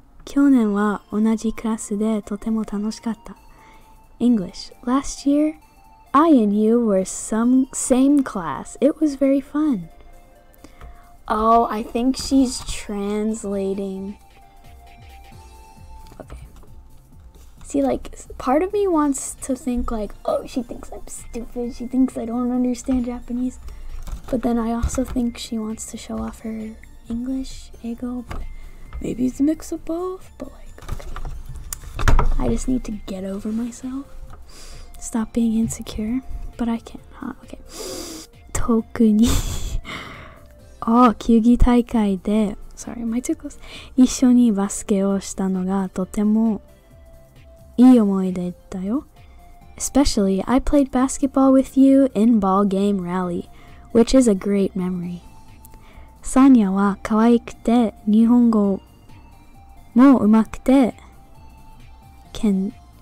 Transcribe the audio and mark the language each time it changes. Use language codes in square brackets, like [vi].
[ja] 去年は同じクラスでとても楽しかった. [en] English. Last year, I and you were same class. It was very fun. Oh, I think she's translating. See, like, part of me wants to think, like, oh, she thinks I'm stupid. She thinks I don't understand Japanese. But then I also think she wants to show off her English, ego. But maybe it's a mix of both. But, like, okay. I just need to get over myself. Stop being insecure. But I can't, huh? Okay. [ja] 特に.Oh, 球技大会で. [en] Sorry, am I too close? [ja] 一緒にバスケをしたのがとても. [en] Especially, I played basketball with you in ball game rally, which is a great memory. [ja] Sanya wa kawaiikute, nihongo mo umakute, kenzon.